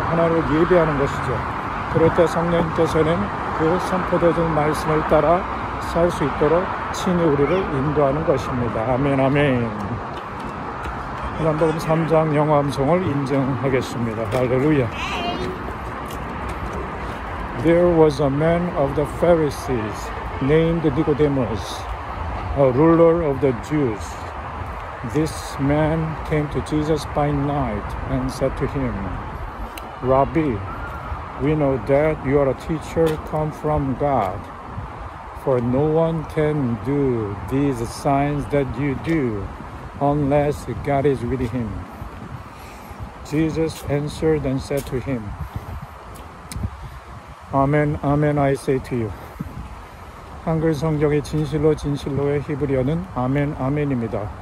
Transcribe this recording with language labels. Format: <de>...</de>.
<ko>하나님을 예배하는 것이죠. 그럴 때 성령께서는 그 선포되어진 말씀을 따라 살 수 있도록 친히 우리를 인도하는 것입니다. 아멘, 아멘. 요한복음 3장 영암송을 인증하겠습니다. 할렐루야.</ko> <en>There was a man of the Pharisees named Nicodemus, a ruler of the Jews. This man came to Jesus by night and said to him, Rabbi, we know that you are a teacher come from God. For no one can do these signs that you do unless God is with him. Jesus answered and said to him, Amen, Amen, I say to you.</en> <ko>한글 성경의 진실로 진실로의 히브리어는 아멘, 아멘입니다.</ko>